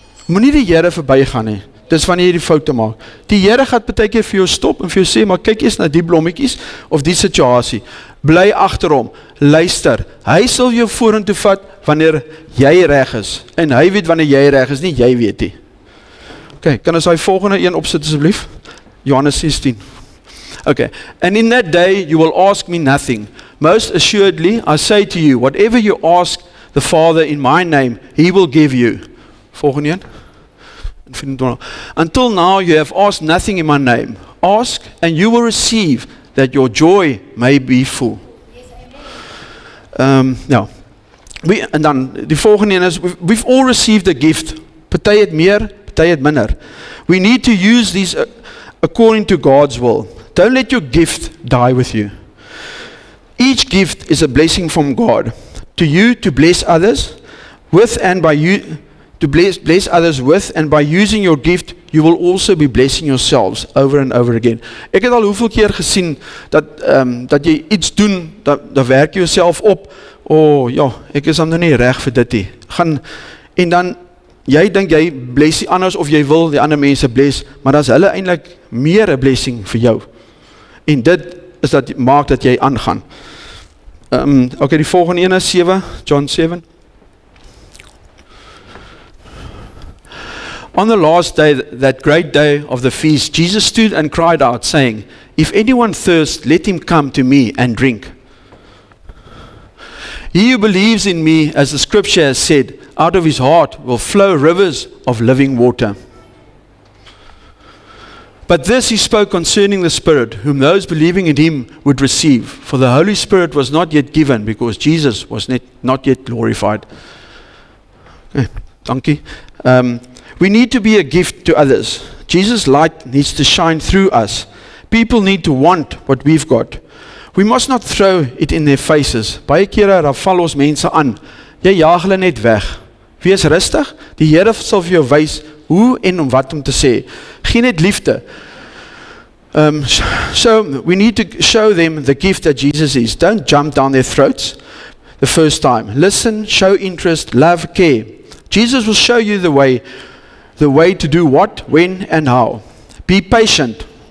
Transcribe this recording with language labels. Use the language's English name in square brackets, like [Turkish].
[Afrikaans] Moenie die Here verbygaan nie. Dis wanneer jy die foute maak. Die Here gaat baie keer vir jou stop en vir jou sê, maar kyk eens na die blommetjies of die situasie. Bly agter hom. Luister. Hy sal jou vorentoe vat wanneer jy reg is. En hy weet wanneer jy reg is, nie jy weet nie. Okay, kan ons daai volgende een opsit asseblief? Johannes 16. Okay. [English] And in that day you will ask me nothing. Most assuredly I say to you, whatever you ask the Father in my name, he will give you. [Afrikaans] Volgende een. [English] Until now you have asked nothing in my name. Ask and you will receive that your joy may be full. We've all received a gift. [Afrikaans] Party het meer, party het minder. [English] We need to use these according to God's will. Don't let your gift die with you. Each gift is a blessing from God to you to bless others with and by you. To bless others with, and by using your gift, you will also be blessing yourselves over and over again. [Afrikaans] Ek het al hoeveel keer gesien dat jy iets doen, dat werk jy jouself op. Ek is dan nou nie reg vir dit nie. Gaan, en dan, jy dink jy bless die anders of jy wil die ander mense bless, maar dat is hulle eintlik meer 'n blessing vir jou. En dit is dat maak dat jy aangaan. Die volgende ene is 7, John 7. [English] On the last day, that great day of the feast, Jesus stood and cried out, saying, if anyone thirsts, let him come to me and drink. He who believes in me, as the scripture has said, out of his heart will flow rivers of living water. But this he spoke concerning the Spirit, whom those believing in him would receive. For the Holy Spirit was not yet given, because Jesus was not yet glorified. Okay, thank you. We need to be a gift to others. Jesus' light needs to shine through us. People need to want what we've got. We must not throw it in their faces. [Afrikaans] Baie kere val ons mense aan. Jy jaag hulle net weg. Wees rustig. Die Here sal vir jou wys hoe en om wat om te sê. Gee net liefde. [English] So we need to show them the gift that Jesus is. Don't jump down their throats the first time. Listen, show interest, love, care. Jesus will show you the way to do what, when, and how. Be patient.